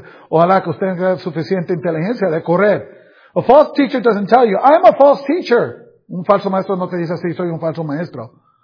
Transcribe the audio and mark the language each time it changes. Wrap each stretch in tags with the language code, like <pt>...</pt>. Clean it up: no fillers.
<es>Ojalá que usted tenga suficiente inteligencia de correr.</es> <en>A false teacher doesn't tell you, I'm a false teacher.</en> <es>Un falso maestro no te dice así, soy un falso maestro.</es>